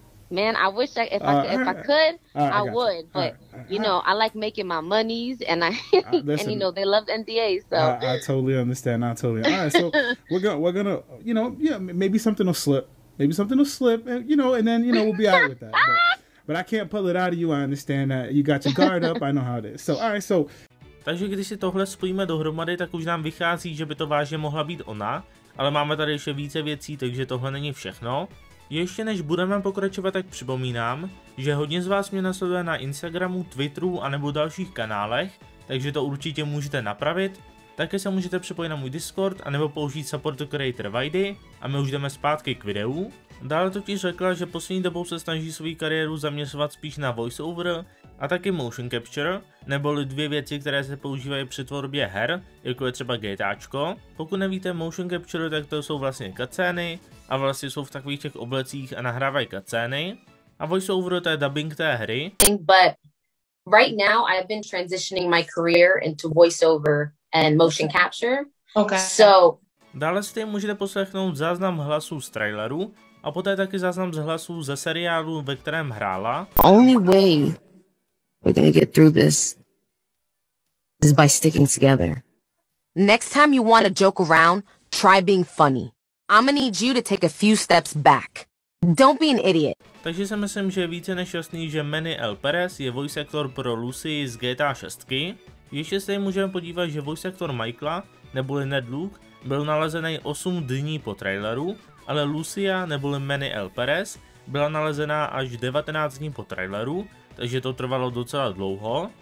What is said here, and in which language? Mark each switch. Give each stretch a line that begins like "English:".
English: Man, I wish I could, but I like making my monies and they love NDAs, so. I totally understand. All right, so we're gonna, you know, yeah, maybe something will slip, and then we'll be out with that. But I can't pull it out of you, I understand that. You got your guard up, I know how it is. So, all right, so.
Czech: Takže když si tohle spojíme dohromady, tak už nám vychází, že by to vážně mohla být ona, ale máme tady ještě více věcí, takže tohle není všechno. Ještě než budeme pokračovat, tak připomínám, že hodně z vás mě nasleduje na Instagramu, Twitteru anebo dalších kanálech, takže to určitě můžete napravit. Také se můžete připojit na můj Discord anebo použít support creator Vajdy a my už jdeme zpátky k videu. Dále totiž řekla, že poslední dobou se snaží svou kariéru zaměřovat spíš na voiceover a taky motion capture, neboli dvě věci, které se používají při tvorbě her, jako je třeba GTAčko. Pokud nevíte motion capture, tak to jsou vlastně cutscény a vlastně jsou v takových těch oblecích a nahrávají cutscény. A voiceover, to je dubbing té hry.
English: But right now I've been transitioning my career into voiceover and motion capture. Okay. So.
Czech: Dále si můžete poslechnout záznam hlasů z traileru a poté taky záznam z hlasů ze seriálu, ve kterém hrála.
English: Only way we're gonna get through this is by sticking together. Next time you want to joke around, try being funny. I'm gonna need you to take a few steps back. Don't be an idiot.
Czech: Takže si myslím, že je více než jasný, že Manny L. Perez je voice actor pro Lucy z GTA 6. Ještě se můžeme podívat, že voice actor Michaela, neboli Ned Luke, byl nalezený 8 dní po traileru, ale Lucia, neboli Manny L. Perez, byla nalezená až 19 dní po traileru, takže to trvalo docela dlouho.